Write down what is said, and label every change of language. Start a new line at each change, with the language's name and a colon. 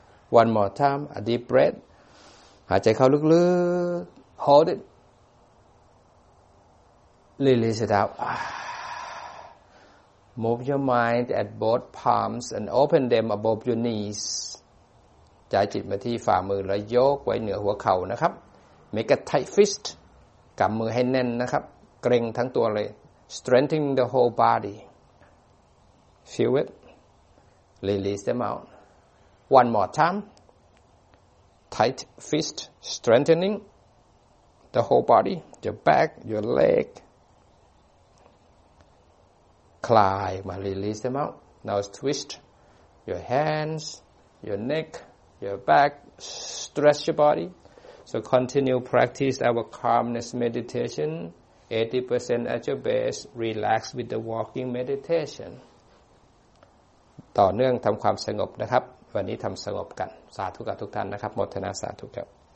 English: One more time, a deep breath.
Thai: หายใจเข้าลึกๆ
English: hold it. Release it out. Move your mind at both palms and open them above your knees.
Thai: จ่ายจิตมาที่ฝ่ามือแล้วยกไว้เหนือหัวเข่านะครับ
English: Make a tight fist.
Thai: กำมือให้แน่นนะครับเกร็งทั้งตัวเลย
English: Strengthening the whole body. Feel it. Release them out. One more time, tight fist, strengthening the whole body, your back, your leg. Cly, release them out. Now twist your hands, your neck, your back, stretch your body. So continue practice our calmness meditation, 80% at your base, relax with the walking meditation.
Thai: ต่อเนื่องทำความสงบนะครับวันนี้ทำสงบกันสาธุกับทุกท่านนะครับหมดทนาสาธุครับ